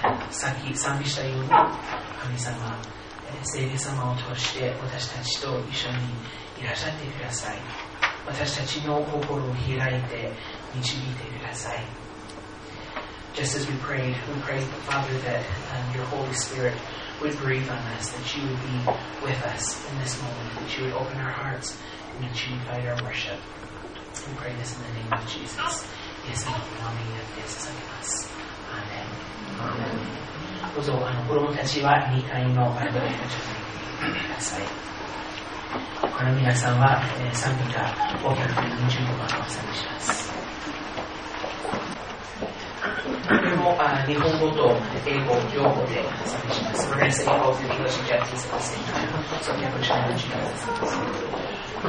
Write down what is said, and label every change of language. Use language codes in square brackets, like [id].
[ja] 賛美したように神様、聖霊様を通して私たちと一緒にいらっしゃってください。私たちの心を開いて導いてください。 [en] Just as we prayed Father that、your Holy Spirit would breathe on us, that you would be with us in this moment, that you would open our hearts and that you would guide our worship. We pray this in the name of Jesus. [ja] イエス様の名によって捧げます。アーメン。どうぞ子供たちは2階のバルコニーに行ってください。この皆さんは賛美歌525番を賛美します。日本語と英語両方で賛美します。 [en] We're going to sing both in English and Japanese at the same time。